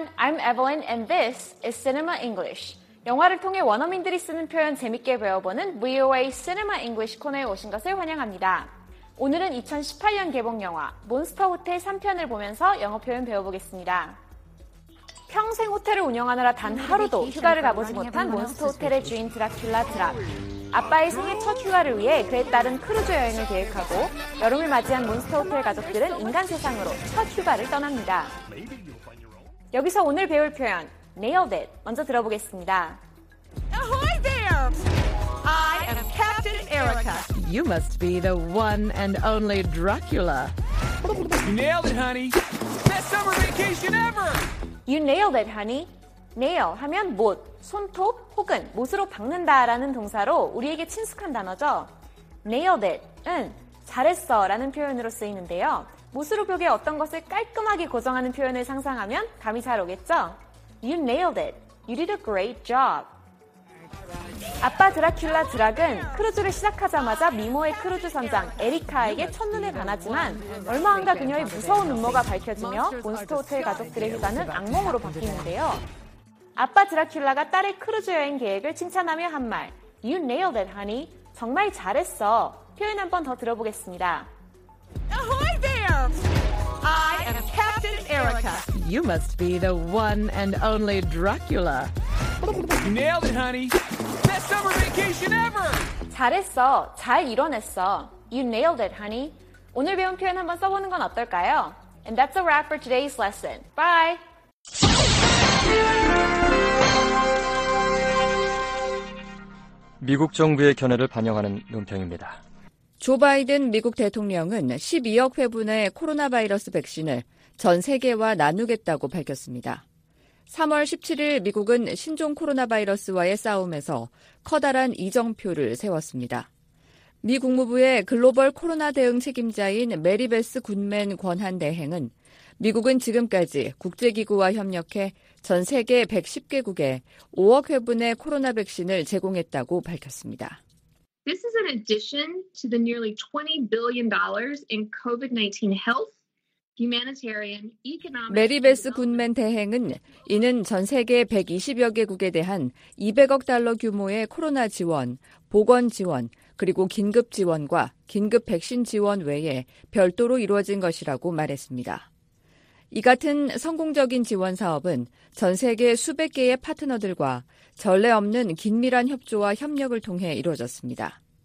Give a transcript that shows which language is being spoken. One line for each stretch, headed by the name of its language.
English: I'm Evelyn and this is Cinema English.
Korean: 영화를 통해 원어민들이 쓰는 표현 재밌게 배워보는 VOA Cinema English 코너에 오신 것을 환영합니다. 오늘은 2018년 개봉 영화 몬스터 호텔 3편을 보면서 영어 표현 배워보겠습니다. 평생 호텔을 운영하느라 단 하루도 휴가를 가보지 못한 몬스터 호텔의 주인 드라큘라 드랍. 아빠의 생애 첫 휴가를 위해 그에 따른 크루즈 여행을 계획하고 여름을 맞이한 몬스터 호텔 가족들은 인간 세상으로 첫 휴가를 떠납니다. 여기서 오늘 배울 표현 Nailed it 먼저 들어보겠습니다.
English: Ahoy there! I am Captain Erica. You must be the one and only Dracula. You nailed it, honey. Best summer vacation ever. You nailed it, honey.
Korean: Nail 하면 못, 손톱 혹은 못으로 박는다라는 동사로 우리에게 친숙한 단어죠. Nailed it은 잘했어라는 표현으로 쓰이는데요. 못으로 벽에 어떤 것을 깔끔하게 고정하는 표현을 상상하면 감이 잘 오겠죠?
English: You nailed it. You did a great job.
Korean: 아빠 드라큘라 드락은 크루즈를 시작하자마자 미모의 크루즈 선장 에리카에게 첫눈에 반하지만 얼마 안가 그녀의 무서운 음모가 밝혀지며 몬스터 호텔 가족들의 휴가는 악몽으로 바뀌는데요. 아빠 드라큘라가 딸의 크루즈 여행 계획을 칭찬하며 한 말
English: You nailed it, honey.
Korean: 정말 잘했어. 표현 한 번 더 들어보겠습니다.
English: Ahoy there! I am Captain Erica. You must be the one and only Dracula. You nailed it, honey. Best summer vacation ever.
Korean: 잘했어. 잘 이뤄냈어.
English: You nailed it, honey.
Korean: 오늘 배운 표현 한번 써보는 건 어떨까요?
English: And that's a wrap for today's lesson. Bye!
Korean: 미국 정부의 견해를 반영하는 논평입니다. 조 바이든 미국 대통령은 12억 회분의 코로나 바이러스 백신을 전 세계와 나누겠다고 밝혔습니다. 3월 17일 미국은 신종 코로나 바이러스와의 싸움에서 커다란 이정표를 세웠습니다. 미 국무부의 글로벌 코로나 대응 책임자인 메리베스 군맨 권한대행은 미국은 지금까지 국제기구와 협력해 전 세계 110개국에 5억 회분의 코로나 백신을 제공했다고 밝혔습니다.
English: This is in addition to the nearly $20 billion in COVID-19 health, humanitarian, economic.
Korean: 메리베스 군맨 대행은 이는 전 세계 120여 개국에 대한 200억 달러 규모의 코로나 지원, 보건 지원, 그리고 긴급 지원과 긴급 백신 지원 외에 별도로 이루어진 것이라고 말했습니다. 이 같은 성공적인 지원 사업은 전 세계 수백 개의 파트너들과 전례 없는 긴밀한 협조와 협력을 통해 이루어졌습니다.